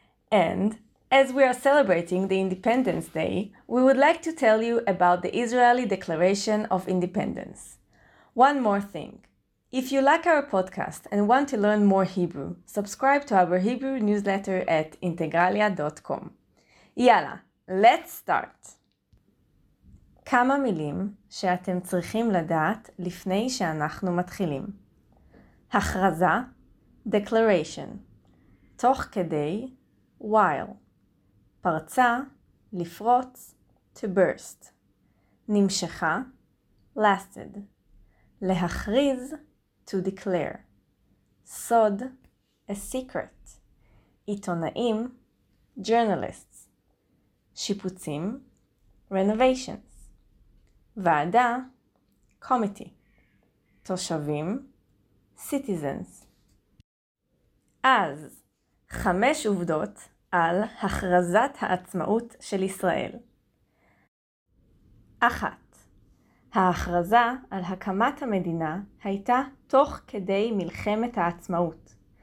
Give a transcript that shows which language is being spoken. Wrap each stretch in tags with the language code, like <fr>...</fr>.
<en>And as we are celebrating the Independence Day, we would like to tell you about the Israeli Declaration of Independence. One more thing. If you like our podcast and want to learn more Hebrew, subscribe to our Hebrew newsletter at integraliah.com. יאללה, let's start!</en> <he>כמה מילים שאתם צריכים לדעת לפני שאנחנו מתחילים. הכרזה,</he> <en>declaration,</en> <he>תוך כדי,</he> <en>while,</en> <he>פרצה, לפרוץ,</he> <en>to burst,</en> <he>נמשכה,</he> <en>lasted,</en> <he>להכריז,</he> <en>to declare,</en> <he>סוד,</he> <en>a secret,</en> <he>עיתונאים,</he> <en>journalists,</en> <he>שיפוצים,</he> <en>renovations,</en> <he>ועדה,</he> <en>committee,</en> <he>תושבים,</he> <en>citizens.</en> <he>אז, חמש עובדות על הכרזת העצמאות של ישראל. אחת. ההכרזה על הקמת המדינה הייתה תוך כדי מלחמת העצמאות.</he>